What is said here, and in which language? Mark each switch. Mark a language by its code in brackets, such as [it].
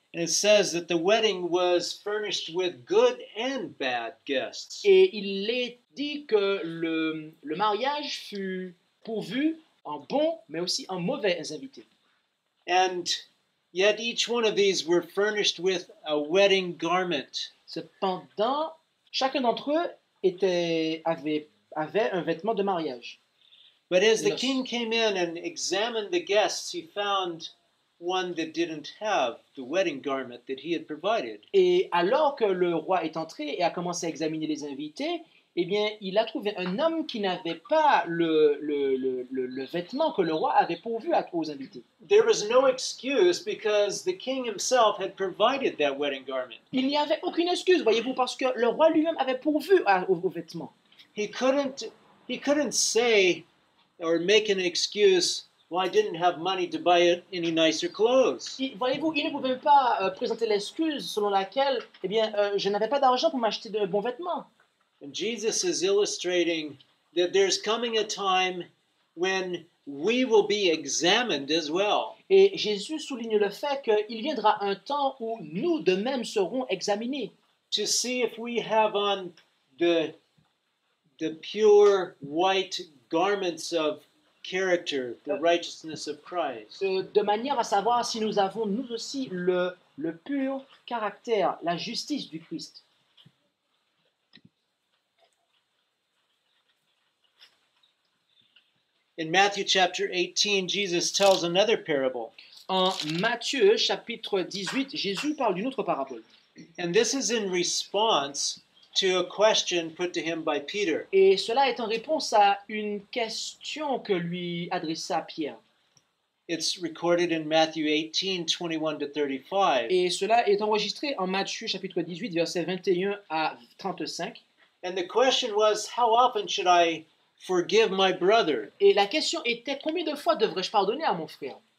[en] And it says that the wedding was furnished with good and bad guests. [fr] Et il est dit que le mariage fut pourvu en bons mais aussi en mauvais invités. [en] And yet each one of these were furnished with a wedding garment. [fr] Cependant, chacun d'entre eux avait un vêtement de mariage. [en] But as the king came in and examined the guests, he found one that didn't have the wedding garment that he had provided. [fr] Et alors que le roi est entré et a commencé à examiner les invités, eh bien, il a trouvé un homme qui n'avait pas le vêtement que le roi avait pourvu aux invités. [en] There was no excuse because the king himself had provided that wedding garment. [fr] Il n'y avait aucune excuse, voyez-vous, parce que le roi lui-même avait pourvu aux vêtements. [en] He couldn't say or make an excuse. Well, I didn't have money to buy any nicer clothes. [fr] Voyez-vous, il ne pouvait pas présenter l'excuse selon laquelle, eh bien, je n'avais pas d'argent pour m'acheter de bons vêtements. [en] And Jesus is illustrating that there's coming a time when we will be examined as well. [fr] Et Jésus souligne le fait qu'il viendra un temps où nous de même serons examinés. [en] To see if we have on the pure white garments of character, the righteousness of Christ. [fr] De manière à savoir si nous avons nous aussi le pur caractère, la justice du Christ. [en] In Matthew chapter 18, Jesus tells another parable. [fr] En Matthieu chapitre 18, Jésus parle d'une autre parabole. [en] And this is in response to a question put to him by Peter. [fr] Et cela est en réponse à une question que lui adressa Pierre. [en] It's recorded in Matthew 18, 21 to 35. [fr] Et cela est enregistré en Matthieu chapitre 18, versets 21 à 35. [en] And the question was, how often should I forgive my brother? [fr] Et la question était, combien de fois devrais-je pardonner à mon frère?